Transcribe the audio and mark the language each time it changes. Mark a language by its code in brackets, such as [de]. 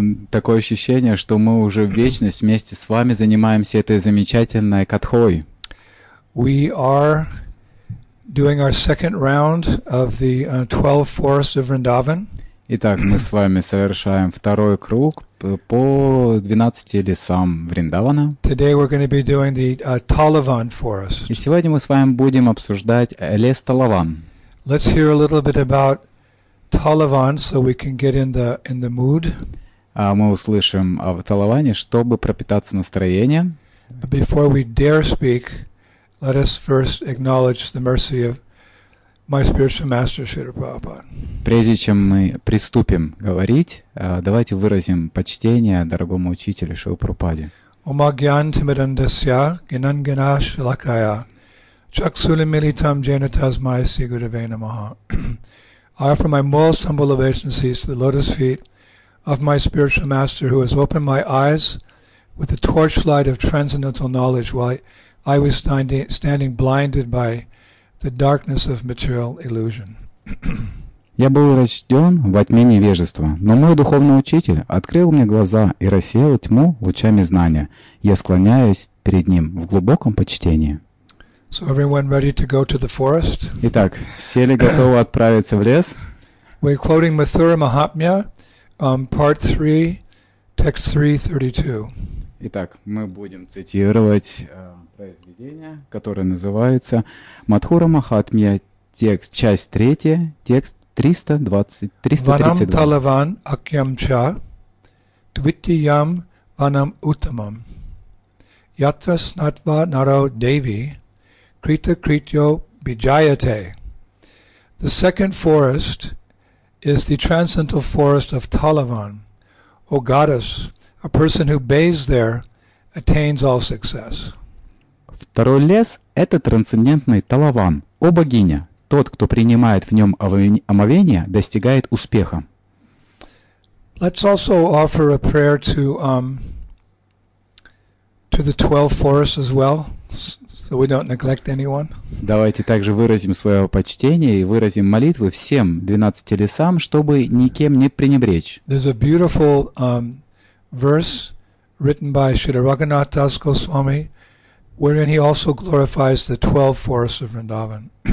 [ru] Такое ощущение, что мы уже вечность вместе с вами занимаемся этой замечательной катхой. [en] We are doing our second round of the 12 forests of Vrindavan. [ru] Итак, мы с вами совершаем второй круг по 12 лесам Вриндавана. [en] Today we're going to be doing the Talavan forest. [ru] И сегодня мы с вами будем обсуждать лес Талаван. [en] Let's hear a little bit about Talavan so we can get in the mood. [ru] А мы услышим о Талаване, чтобы пропитаться настроением. [en] Before we dare speak, let us first acknowledge the mercy of my spiritual master, Śrīla Prabhupāda. [ru] Прежде чем мы приступим говорить, давайте выразим почтение дорогому учителю Шрилы Прабхупаде. [sa] Ома гьян тимирандасья гинангина шилакая чаксули милитам джейнатас майаси гудаве намаха. [en] I offer my most humble obeisances to the lotus feet of my spiritual master who has opened my eyes with the torchlight of transcendental knowledge while I was standing blinded by the darkness of material illusion. [ru] Я был рождён во тьме невежества, но мой духовный учитель открыл мне глаза и рассеял тьму лучами знания. Я склоняюсь перед ним в глубоком почтении. [en] So everyone ready to go to the forest? [ru] Итак, все ли готовы отправиться в лес? [en] We're quoting Mathura Mahatmya, part 3, text 3.32. [ru] Итак, мы будем цитировать произведение, которое называется «Мадхура Махатмья», текст, часть третья, текст [sa] 320, 332. Ванам талаван акьям ча, твитиям ванам утамам, ятра снатва нарау деви, крита критьо биджаяте. [en] The second forest is the transcendental forest of Talavan. O goddess, a person who bathes there attains all success. [ru] Второй лес — это трансцендентный Талаван. О богиня! Тот, кто принимает в нем омовение, достигает успеха. [en] Let's also offer a prayer to the 12 forests as well, so we don't neglect anyone. [ru] Давайте также выразим свое почтение и выразим молитвы всем 12 лесам, чтобы никем не пренебречь. [en] There's a beautiful verse written by Śrīla Raghunātha Dāsa Gosvāmī, wherein he also glorifies the 12 forests of Vrindavan.